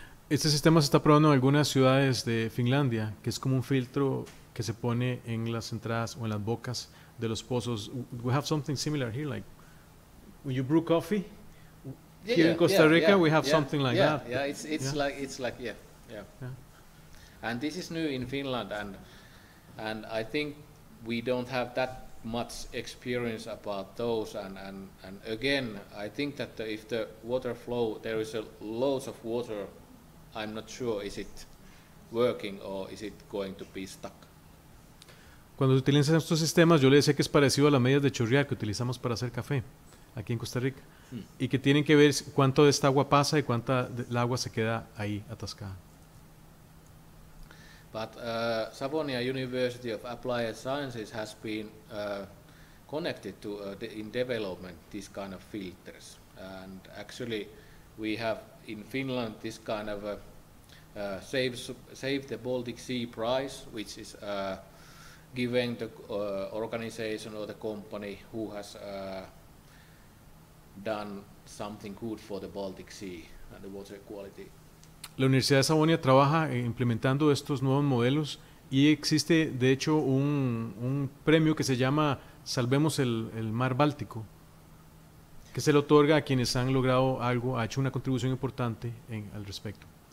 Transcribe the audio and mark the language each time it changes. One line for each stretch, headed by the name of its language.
Spanish: Este sistema se está probando en algunas ciudades de Finlandia, que es como un filtro que se pone en las entradas o en las bocas de los pozos.
English: We have something similar here, like when you brew coffee. Here in Costa Rica, we have something like that. Yeah, it's like. And this is new in Finland, and I think we don't have that much experience about those. And again, I think that if the water flow, there is a loads of water, I'm not sure is it working or is it going to be stuck.
Spanish: Cuando se utilizan estos sistemas, yo le decía que es parecido a las medias de chorrear que utilizamos para hacer café aquí en Costa Rica. Y que tienen que ver cuánto de esta agua pasa y cuánta el agua se queda ahí atascada.
English: But Savonia University of Applied Sciences has been connected to in development this kind of filters. And actually we have in Finland this kind of save the Baltic Sea Prize, which is given the organization or the company who has done something good for the Baltic Sea and the water quality.
Spanish: La Universidad de Savonia trabaja implementando estos nuevos modelos y existe de hecho un premio que se llama Salvemos el Mar Báltico, que se le otorga a quienes han logrado algo, ha hecho una contribución importante al respecto.